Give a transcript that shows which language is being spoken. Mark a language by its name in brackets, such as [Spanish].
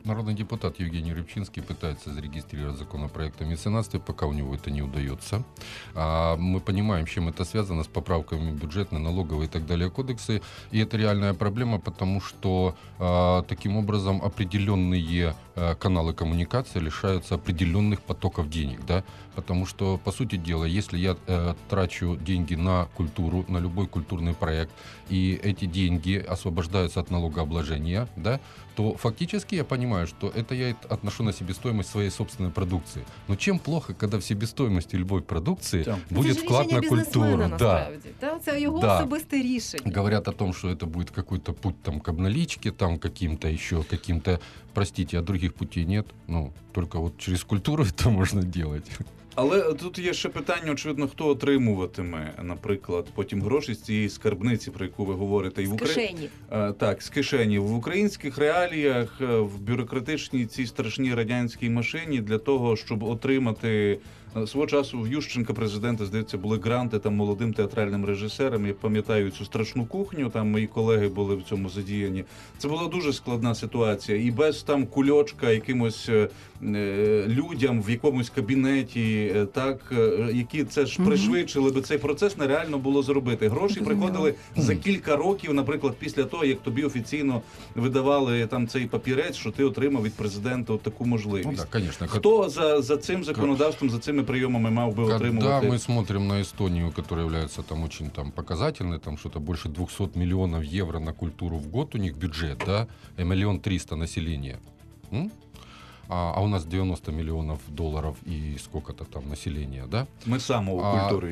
[Ukrainian] Народний депутат Євгеній Рибчинський питається зарегіструвати законопроект о меценатстві, поки у нього це не вдається. Ми розуміємо, що це зв'язано з поправками бюджетних, [Russian] налоговые и так далее кодексы, и это реальная проблема, потому что таким образом определенные каналы коммуникации лишаются определенных потоков денег, да, потому что, по сути дела, если я трачу деньги на культуру, на любой культурный проект, и эти деньги освобождаются от налогообложения, да, то фактически я понимаю, что это я отношу на себестоимость своей собственной продукции. Но чем плохо, когда в себестоимости любой продукции будет вклад на культуру? Да. Это его особистое решение. Говорят о том, что это будет какой-то путь там, к обналичке, там, каким-то еще, каким-то, простите, а других путей нет. Ну, только вот через культуру это можно делать. [Ukrainian] Але тут є ще питання, очевидно, хто отримуватиме, наприклад, потім гроші з цієї скарбниці, про яку ви говорите. І кишені. Так, з кишені. В українських реаліях, в бюрократичній цій страшній радянській машині, для того, щоб отримати... Свого часу в Ющенка президента, здається, були гранти там молодим театральним режисерам. Я пам'ятаю цю страшну кухню, там мої колеги були в цьому задіяні. Це була дуже складна ситуація. І без там кульочка якимось людям в якомусь кабінеті, так, які це ж пришвидшили би цей процес, нереально було зробити. Гроші приходили за кілька років, наприклад, після того, як тобі офіційно видавали там цей папірець, що ти отримав від президента от таку можливість. Ну, так, звісно. Хто за цим законодавством, за цим приемами мав би отримувати? [Russian] Когда мы смотрим на Эстонию, которая является там очень там показательной, там что-то больше 200 миллионов евро на культуру в год у них бюджет, да, 1 300 000 населения. А у нас 90 миллионов долларов и сколько-то там населения, да? Мы самого культуры.